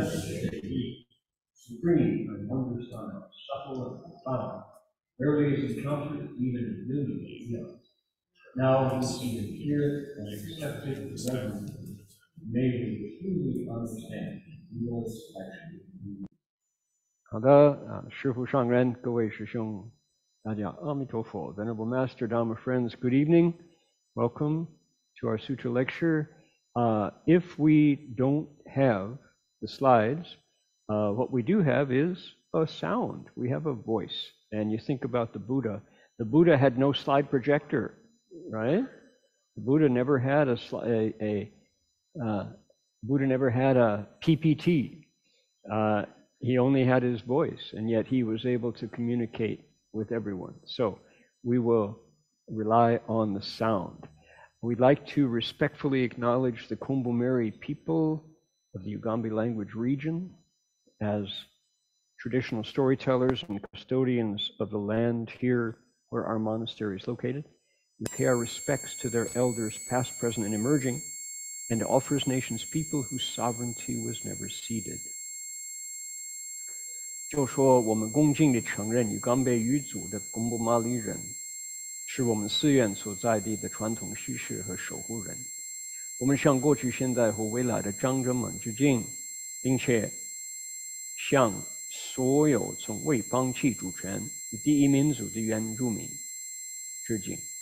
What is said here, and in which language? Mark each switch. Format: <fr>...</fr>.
<en>Supreme and wondrous style, subtle and profound, rarely is encountered even in millions of years. Now we see and hear and accept it with reverence, may we truly understand the Lord's action.</en> <zh>好的，师父上人，各位师兄，大家阿弥陀佛。</zh> <en>Venerable Master, Dharma friends, good evening. Welcome to our sutra lecture. If we don't have the slides, what we do have is a sound. We have a voice. And you think about the Buddha. The Buddha had no slide projector, right? The Buddha never had a PPT. He only had his voice, and yet he was able to communicate with everyone. So we will rely on the sound. We'd like to respectfully acknowledge the Kumbumeri people of the Ugambi language region as traditional storytellers and custodians of the land here where our monastery is located. We pay our respects to their elders, past, present, and emerging, and to all First Nations people whose sovereignty was never ceded.</en> <zh>就说我们恭敬地承认与刚被语组的公布玛丽人是我们寺院所在地的传统叙事和守护人。我们向过去、现在和未来的长者们致敬，并且向所有从未放弃主权的第一民族的原住民致敬。</zh>